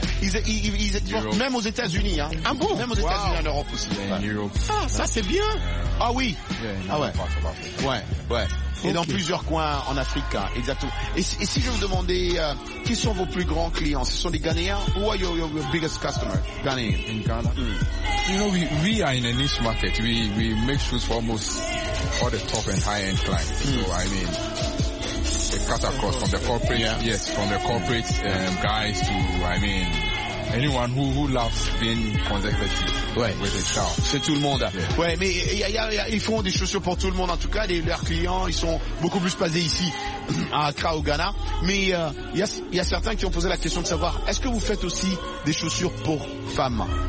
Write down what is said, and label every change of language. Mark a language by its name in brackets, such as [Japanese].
[French] Ils exportent même aux États-Unis. Hein. Ah bon? Même aux États-Unis, en Europe aussi. [English] Yeah, in Europe. [French] Ah, ça, c'est bien. Ah oui. [English] Yeah, [French] ah ouais. Ouais. Okay. Et dans plusieurs coins en Afrique, exactement. Et si je vous demandais, qui sont vos plus grands clients? Ce sont des Ghanéens? [English] Who are your biggest customers? Ghanéens. In Ghana? Mm. You know, we are in a niche market. We make shoes for almost all the top and high-end clients. Mm. So, I mean... They cut across from the corporate, from the corporate guys to, I mean, anyone who loves being consecutive with a child. [French] C'est tout le monde. Yeah. Ouais, mais y a, ils font des chaussures pour tout le monde, en tout cas. Leurs clients, ils sont beaucoup plus basés ici, à Accra, au Ghana. Mais y a certains qui ont posé la question de savoir, est-ce que vous faites aussi des chaussures pour femmes?